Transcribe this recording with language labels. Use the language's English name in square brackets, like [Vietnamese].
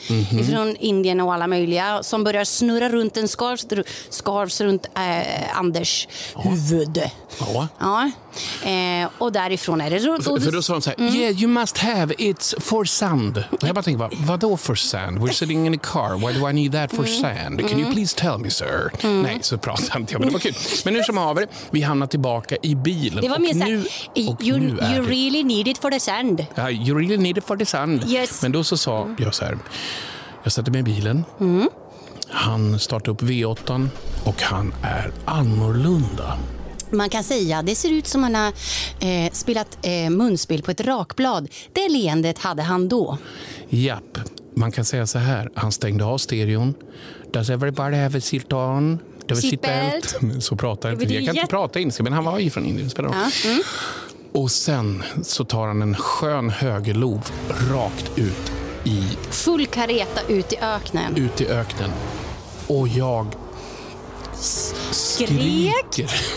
[Swedish] Mm-hmm. Från Indien och alla möjliga som börjar snurra runt en skarv runt Anders huvud. Ja. Och därifrån är det... För då sa de så här, [English] yeah, you must have, it's for sand. [Swedish] Och jag bara tänker, vad då för sand? [English] We're sitting in a car, why do I need that for sand? Can you please tell me, sir? Mm. [Swedish] Nej, så pratade han inte. Men det var kul. Men nu som har vi hamnar tillbaka i bilen. Det var mer så [English] you really need it for the sand. Ja, you really need it for the sand. Yes. [Swedish] Men då så sa jag så här, jag satte mig i bilen. Mm. Han startar upp V8 och han är annorlunda. Man kan säga, det ser ut som han har spelat munspel på ett rakblad. Det leendet hade han då. Japp, man kan säga så här. Han stängde av stereon. [English] Does everybody have a seat on? Does seat belt? [Swedish] Så pratar han. Jag kan inte prata inska, men han var ju från Indien. Ja. Mm. Och sen så tar han en skön högerlov rakt ut i... Full kareta ut i öknen. Ut i öknen. Och jag... skrek.